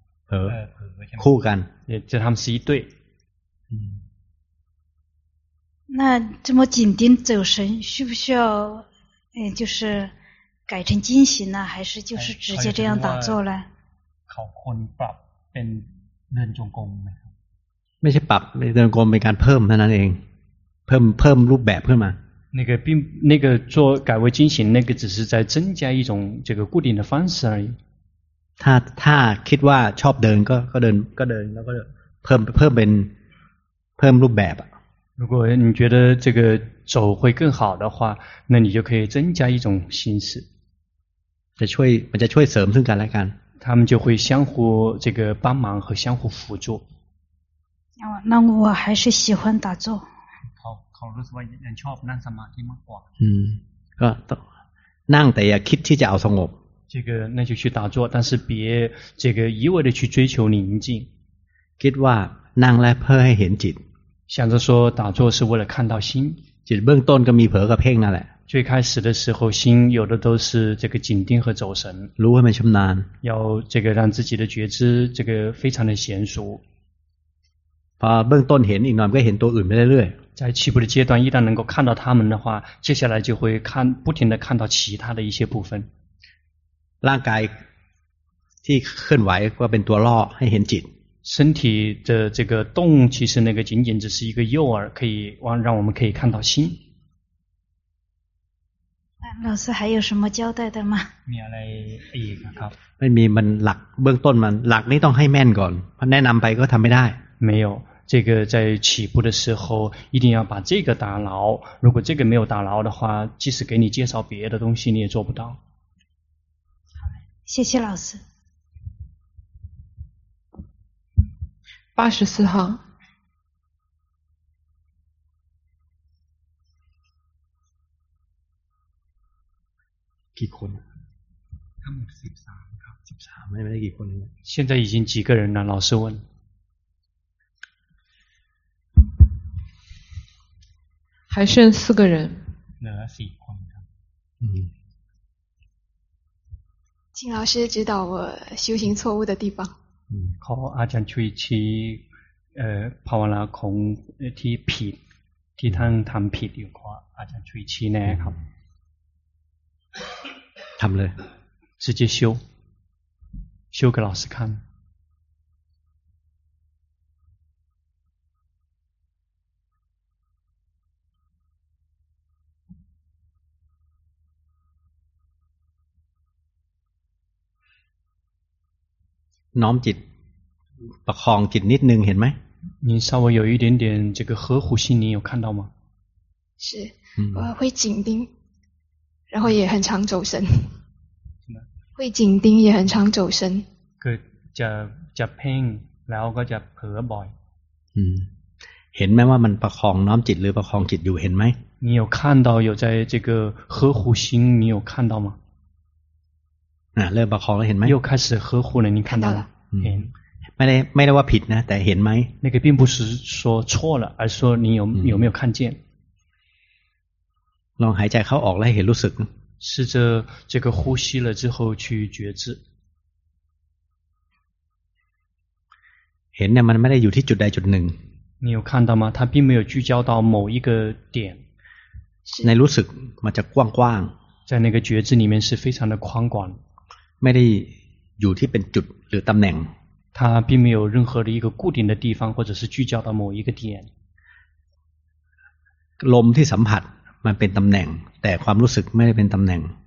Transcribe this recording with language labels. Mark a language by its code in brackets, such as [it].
[th] เผลอคู่กัน จะทำสีด้วย [zh] 那这么紧盯走神需不需要就是改成惊醒呢还是就是直接这样打坐呢 [th] เขาคนปรับเป็นเดินจงกรม ไม่ใช่ปรับเดินจงกรมเป็นการเพิ่มเท่านั้นเองเพิ่มรูปแบบขึ้นมา [zh] 那个并那个做改为惊醒那个只是在增加一种这个固定的方式而已 [th] ถ้าคิดว่าชอบเดินก็เดินแล้วก็เพิ่มเป็นเพิ่มรูปแบบอ่ะ [zh] 如果你觉得这个走会更好的话那你就可以增加一种形式 [th] จะช่วยมันจะช่วยเสริมซึ่งกันและกัน [zh] 他们就会相互这个帮忙和相互辅助那我还是喜欢打坐。 [th] เขารู้สึกว่ายังชอบนั่งสมาธิมากกว่า ก็นั่งแต่อย่าคิดที่จะเอาสงบ [zh] 这个那就去打坐但是别这个一味的去追求宁静 [th] คิดว่านั่งแล้วเพื่อให้เห็นจิต [zh] 想着说打坐是为了看到心 [th] จิตเบื้องต้นก็มีเผลอกับเพ่งนั่นแหละ [zh] 最开始的时候心有的都是这个紧盯和走神 [th] รู้ให้มันชำนาญ [zh] 要这个让自己的觉知这个非常的娴熟 [th] พอเบื้องต้นเห็นอีกหน่อยก็เห็นตัวอื่นไปเรื่อย [zh] ๆ在起步的阶段一旦能够看到他们的话接下来就会看不停的看到其他的一些部分 [th] ร่างกายที่เคลื่อนไหวก็เป็นตัวล่อให้เห็นจิต [zh] 身体的这个动其实那个仅仅只是一个诱饵可以让我们可以看到心老师还有什么交代的吗 [th] มีอะไรอีกครับ ไม่มีมันหลักเบื้องต้นมันหลักนี้ต้องให้แม่นก่อนพอแนะนำไปก็ทำไม่ได้ [zh] 没有这个在起步的时候一定要把这个打牢如果这个没有打牢的话即使给你介绍别的东西你也做不到谢谢老师 84号几个他们13 没几个现在已经几个人了老师问还剩四个人。请老师指导我修行错误的地方。 [th] ขออาจารย์ช่วยชี้ภาวนาของที่ผิดที่ท่านทำผิดอยู่ขออาจารย์ช่วยชี้แน่ครับ ทำเลย [zh] 直接修修给老师看 [th] น้อมจิตประคองจิตนิดนึงเห็นไหม [zh] 你稍微有一点点这个呵护心你有看到吗是我会紧盯然后也很常走神会紧盯也很常走神 [th] คือจะเพ่งแล้วก็จะเผลอบ่อย เห็นไหมว่ามันประคองน้อมจิตหรือประคองจิตอยู่เห็นไหม [zh] 你有看到有在这个呵护心你有看到吗 [th] เริ่มประคองแล้วเห็นไหม [zh] 又开始呵护了您看到了 [th] ไม่ได้ว่าผิดนะแต่เห็นไหม [zh] 那个并不是说错了而是说你有没有看见 [th] ลองหายใจเข้าออกแล้วเห็นรู้สึก [zh] 试着这个呼吸了之后去觉知 [th] เห็นเนี่ยมันไม่ได้อยู่ที่จุดใดจุดหนึ่ง [zh] 你有看到吗它并没有聚焦到某一个点 [th] ในรู้สึกมันจะกว้างกว้าง [zh] 在那个觉知里面是非常的宽广 [th] ไม่ได้อยู่ที่เป็นจุดหรือตำแหน่ง [zh] 它并没有任何的一个固定的地方或者是聚焦到某一个点 [th] ลมที่สัมผัสมันเป็นตำแหน่งแต่ความรู้สึกไม่ได้เป็นตำแหน่ง